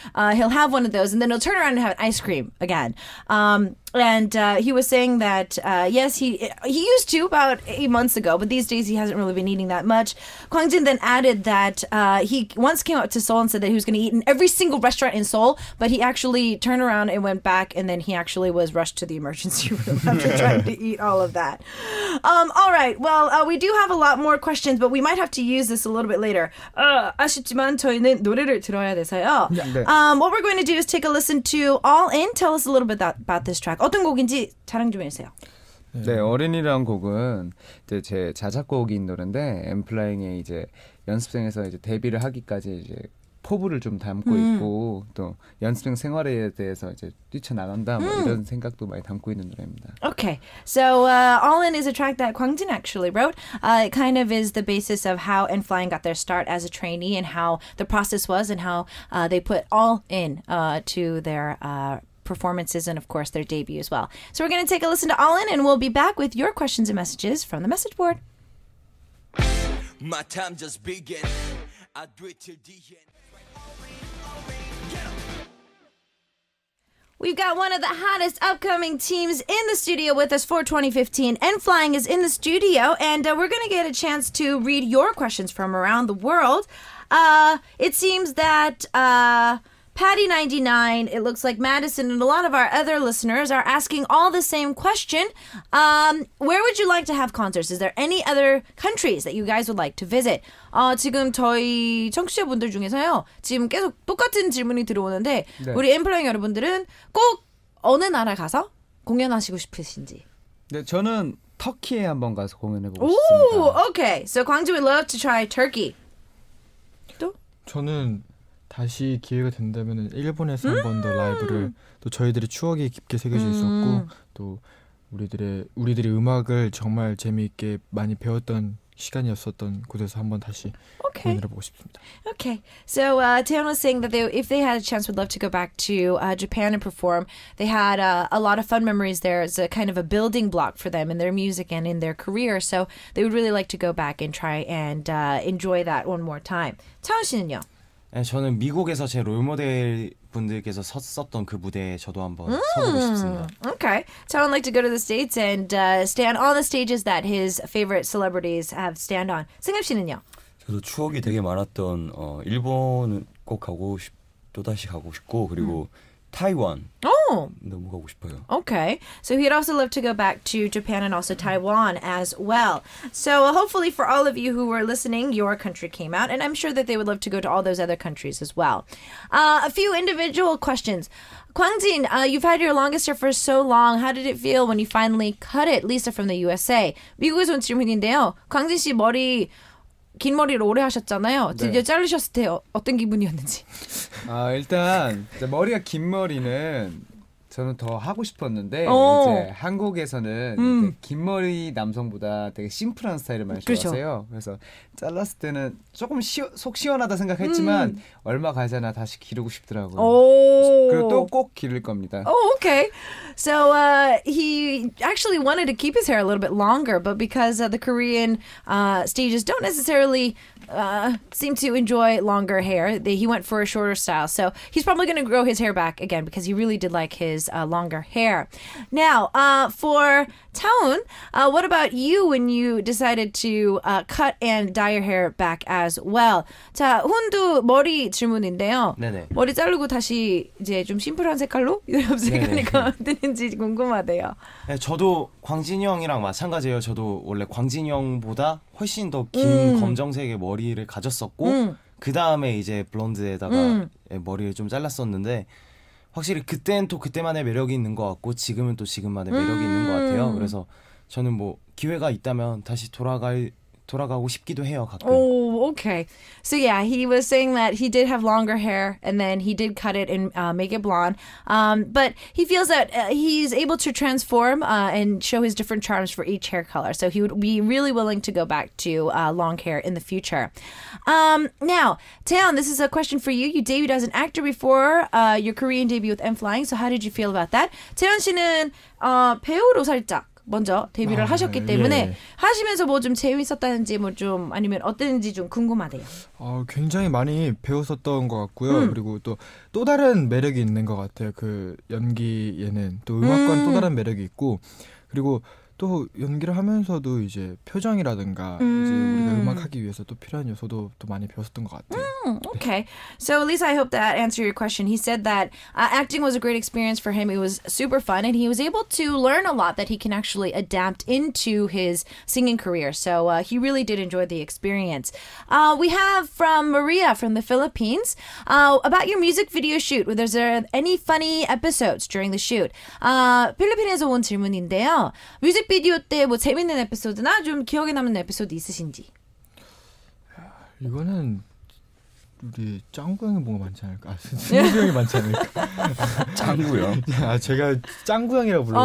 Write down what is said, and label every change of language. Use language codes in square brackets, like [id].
[en] He'll have one of those and then he'll turn around and have an ice cream again. He was saying that, yes, he used to about 8 months ago, but these days he hasn't really been eating that much. Kwangjin then added that he once came up to Seoul and said that he was going to eat in every single restaurant in Seoul, but he actually turned around and went back, and then he actually was rushed to the emergency room after trying to eat all of that. All right, well, we do have a lot more questions, but we might have to use this a little bit later. [ko] 아쉽지만 저희는 노래를 들어야 돼서요. [en] What we're going to do is take a listen to All In. Tell us a little bit about this track. [ko] 어떤 곡인지 자랑 좀 해주세요. 네, 어린이라는 곡은 이제 제 자작곡인 노래인데 엔플라잉의 이제 연습생에서 이제 데뷔를 하기까지 이제 포부를 좀 담고 있고 또 연습생 생활에 대해서 이제 뛰쳐나간다 이런 생각도 많이 담고 있는 노래입니다. [en] Okay, so All In is a track that Kwangjin actually wrote. It kind of is the basis of how N.Flying got their start as a trainee and how the process was and how they put All In to their performances and of course their debut as well. So we're going to take a listen to All In and we'll be back with your questions and messages from the message board. My time just began. I do it till the end. We've got one of the hottest upcoming teams in the studio with us for 2015. N.Flying is in the studio and we're going to get a chance to read your questions from around the world. It seems that Patty99, it looks like Madison, and a lot of our other listeners are asking all the same question. Where would you like to have concerts? Is there any other countries that you guys would like to visit? [ko] 지금 저희 청취자분들 중에서요, 지금 계속 똑같은 질문이 들어오는데, 네. 우리 엠플라잉 여러분들은 꼭 어느 나라 가서 공연하시고 싶으신지? 네, 저는 터키에 한번 가서 공연해보고 싶습니다. [en] Okay, so Gwangju would love to try Turkey. [ko] 또? 저는... 다시 기회가 된다면 일본에서 한 번 더 라이브를 또 저희들의 추억이 깊게 새겨져 있었고 또 우리들의 음악을 정말 재미있게 많이 배웠던 시간이었었던 곳에서 한번 다시 만나보고 싶습니다. [en] Okay. So Taeyeon was saying that they, if they had a chance, would love to go back to Japan and perform. They had a lot of fun memories there as a kind of a building block for them in their music and in their career. So they would really like to go back and try and enjoy that one more time. [ko] 차은 씨는요? 네, 저는 미국에서 제 롤모델 분들께서 섰었던 그 무대에 저도 한번 서보고 싶습니다. [en] Okay. So I'd like to go to the States and stand on the stages that his favorite celebrities have stand on. [ko] 승엽 씨는요? 저도 추억이 되게 많았던 일본은 꼭 가고 또 다시 가고 싶고 그리고 타이완. 오! 너무 가고 싶어요. [en] Okay. So he'd also love to go back to Japan and also Taiwan as well. So hopefully for all of you who were listening, your country came out. And I'm sure that they would love to go to all those other countries as well. A few individual questions. Kwangjin, you've had your longest hair for so long. How did it feel when you finally cut it? Lisa from the USA. [ko] 미국에서 온 질문인데요. 광진 씨 머리, 긴 머리를 오래 하셨잖아요. 드디어 네. 자르셨을 때 어떤 기분이었는지. 아 일단 이제 머리가 긴 머리는 저는 더 하고 싶었는데 이제 한국에서는 긴 머리 남성보다 되게 심플한 스타일을 많이 좋아하세요. 그렇죠. 그래서 잘랐을 때는 조금 속 시원하다 생각했지만 얼마 가잖아 다시 기르고 싶더라고요. 그리고 또 꼭 기를 겁니다. [en] Oh, okay. So he actually wanted to keep his hair a little bit longer, but because the Korean stages don't necessarily seem to enjoy longer hair, he went for a shorter style. So he's probably going to grow his hair back again because he really did like his longer hair. Now, for Taeyeon, what about you when you decided to cut and dye your hair back as well? [ko] 자, 훈도 머리 질문인데요. 네네. 머리 자르고 다시 이제 좀 심플한 색깔로 염색하니까 어땠는지 궁금하대요. 네, 저도 광진이 형이랑 마찬가지예요. 저도 원래 광진이 형보다 훨씬 더 긴 검정색의 머리를 가졌었고 그 다음에 이제 블론드에다가 머리를 좀 잘랐었는데 확실히 그때는 또 그때만의 매력이 있는 것 같고 지금은 또 지금만의 매력이 있는 것 같아요. 그래서 저는 뭐 기회가 있다면 다시 돌아가고 싶기도 해요, 가끔. [en] Oh, okay. So yeah, he was saying that he did have longer hair and then he did cut it and make it blonde. But he feels that he's able to transform and show his different charms for each hair color. So he would be really willing to go back to long hair in the future. Now, Taeyeon, this is a question for you. You debuted as an actor before your Korean debut with N.Flying. So how did you feel about that? [ko] Taeyeon 씨는 배우로 살짝 먼저 데뷔를 하셨기 때문에 하시면서 뭐 좀 재밌었다든지 뭐 좀 아니면 어땠는지 좀 궁금하대요. 굉장히 많이 배웠었던 것 같고요. 그리고 또 다른 매력이 있는 것 같아요. 그 연기에는 또 음악과는 또 다른 매력이 있고 그리고 또 연기를 하면서도 이제 표정이라든가 이제 우리가 음악하기 위해서 또 필요한 요소도 또 많이 배웠었던 것 같아요. [en] Okay. So at least I hope that answered your question. He said that acting was a great experience for him. It was super fun and he was able to learn a lot that he can actually adapt into his singing career. So he really did enjoy the experience. We have from Maria from the Philippines about your music video shoot. Was there any funny episodes during the shoot? [ko] 필리핀에서 온 질문인데요. 뮤직비디오 때 뭐 재밌는 에피소드나 좀 기억에 남는 에피소드 있으신지? 이거는 우리 짱구 형이 뭔가 많지 않을까? 승규 형이 많지 않을까? 짱구 형? 아, 제가 짱구 형이라고 불러요.